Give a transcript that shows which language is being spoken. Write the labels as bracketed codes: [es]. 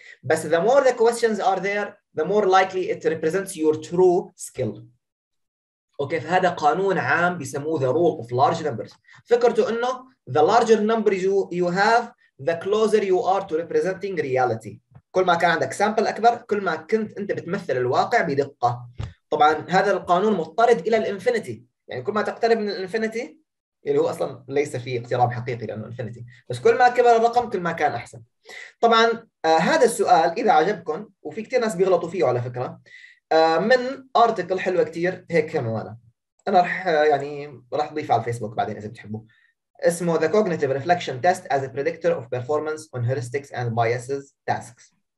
[en] بس the more the questions are there the more likely it represents your true skill. [ar] اوكي، فهذا قانون عام بيسموه [en] the rule of large numbers. [ar] فكرته انه [en] the larger number you have the closer you are to representing reality. [ar] كل ما كان عندك sample اكبر كل ما كنت انت بتمثل الواقع بدقه. طبعا هذا القانون مضطرد الى الانفينيتي، يعني كل ما تقترب من الانفينيتي اللي هو اصلا ليس فيه اقتراب حقيقي لانه انفينيتي، بس كل ما كبر الرقم كل ما كان احسن. طبعا هذا السؤال اذا عجبكم، وفي كثير ناس بيغلطوا فيه على فكره، من ارتكل حلوه كثير هيك عنوانه، انا رح يعني رح اضيفه على الفيسبوك بعدين اذا بتحبوا، اسمه [en] The Cognitive Reflection Test as a Predictor of Performance on Heuristics and Biases Tasks.